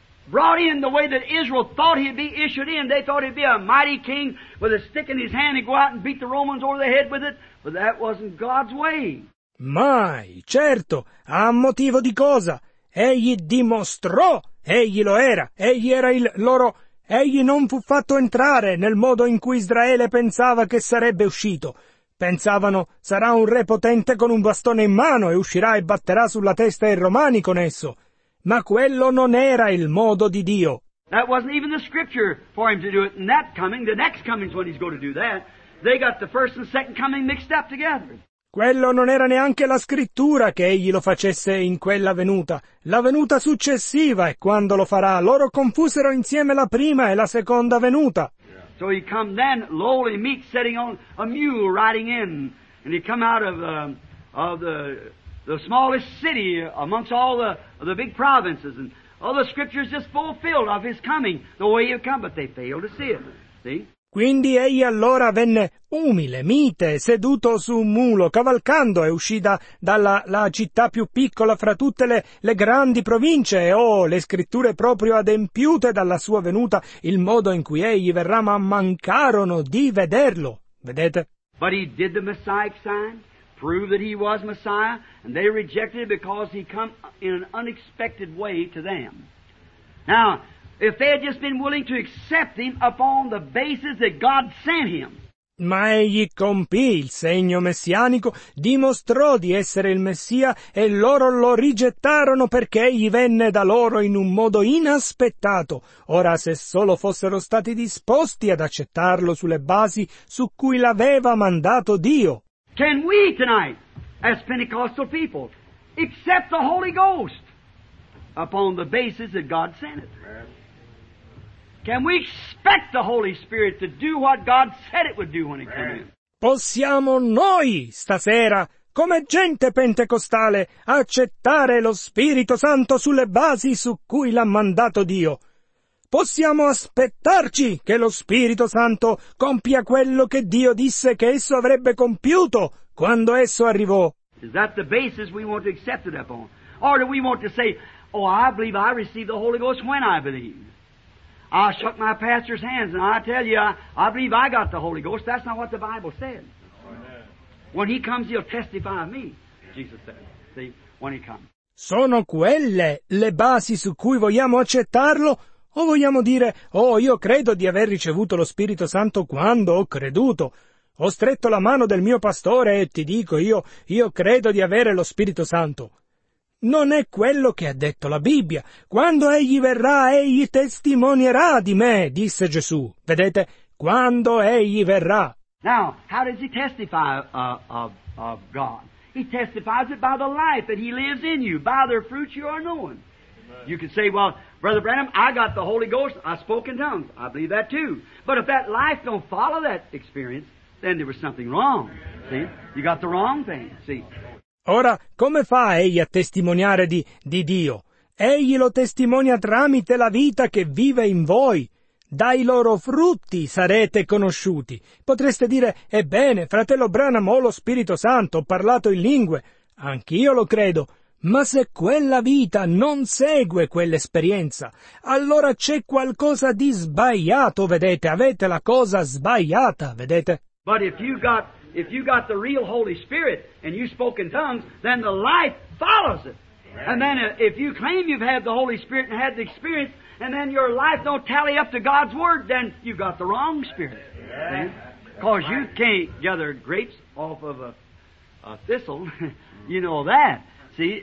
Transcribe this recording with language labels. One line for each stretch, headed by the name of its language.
English: brought in the way that Israel thought he'd be issued in. They thought he'd be a mighty king with a stick in his hand and go out and beat the Romans over the head with it. But that wasn't God's way.
Italian: Mai, certo, a motivo di cosa? Egli dimostrò, egli lo era, egli era il loro... Egli non fu fatto entrare nel modo in cui Israele pensava che sarebbe uscito. Pensavano, sarà un re potente con un bastone in mano e uscirà e batterà sulla testa i romani con esso. Ma quello non era il modo di Dio.
English: That wasn't even the scripture for him to do it. And that coming, the next coming's when he's going to do that. They got the first and second coming mixed up together.
Italian: Quello non era neanche la scrittura che egli lo facesse in quella venuta. La venuta successiva è quando lo farà. Loro confusero insieme la prima e la seconda venuta.
English: So he come then, lowly, meek, sitting on a mule riding in. And he come out of the smallest city amongst all the big provinces. And all the scriptures just fulfilled of his coming, the way he come, but they failed to see it. See?
Italian: Quindi egli allora venne umile, mite, seduto su un mulo, cavalcando, e uscì dalla città più piccola fra tutte le grandi province, e le scritture proprio adempiute dalla sua venuta, il modo in cui egli verrà, ma mancarono di vederlo. Vedete?
English: But he did the Messiah sign, proved that he was Messiah, and they rejected it because he come in an unexpected way to them. Now, if they had just been willing to accept him upon the basis that God sent him.
Italian: Ma egli compì il segno messianico, dimostrò di essere il Messia, e loro lo rigettarono perché egli venne da loro in un modo inaspettato. Ora, se solo fossero stati disposti ad accettarlo sulle basi su cui l'aveva mandato Dio.
English: Can we tonight, as Pentecostal people, accept the Holy Ghost upon the basis that God sent it? Can we expect the Holy Spirit to do what God said it would do when it came in?
Italian: Possiamo noi stasera, come gente pentecostale, accettare lo Spirito Santo sulle basi su cui l'ha mandato Dio? Possiamo aspettarci che lo Spirito Santo compia quello che Dio disse che esso avrebbe compiuto quando esso arrivò?
English: Is that the basis we want to accept it upon? Or do we want to say, oh, I believe I received the Holy Ghost when I believe? I shook my pastor's hands and I tell you, I believe I got the Holy Ghost. That's not what the Bible said. When he comes, he'll testify of me, Jesus said. See, when he comes.
Italian: Sono quelle le basi su cui vogliamo accettarlo? O vogliamo dire, io credo di aver ricevuto lo Spirito Santo quando ho creduto? Ho stretto la mano del mio pastore e ti dico, io credo di avere lo Spirito Santo. Non è quello che ha detto la Bibbia. Quando egli verrà, egli testimonierà di me, disse Gesù. Vedete, quando egli verrà.
English: Now, how does he testify of God? He testifies it by the life that he lives in you, by the fruits you are known. You could say, well, Brother Branham, I got the Holy Ghost, I spoke in tongues. I believe that too. But if that life don't follow that experience, then there was something wrong. See? You got the wrong thing. See?
Italian: Ora, come fa egli a testimoniare di Dio? Egli lo testimonia tramite la vita che vive in voi. Dai loro frutti sarete conosciuti. Potreste dire, ebbene, fratello Branham, ho lo Spirito Santo, ho parlato in lingue. Anch'io lo credo. Ma se quella vita non segue quell'esperienza, allora c'è qualcosa di sbagliato, vedete? Avete la cosa sbagliata, vedete?
English: But if you got the real Holy Spirit and you spoke in tongues, then the life follows it. And then if you claim you've had the Holy Spirit and had the experience, and then your life don't tally up to God's Word, then you've got the wrong spirit. Because you can't gather grapes off of a thistle. You know that. See?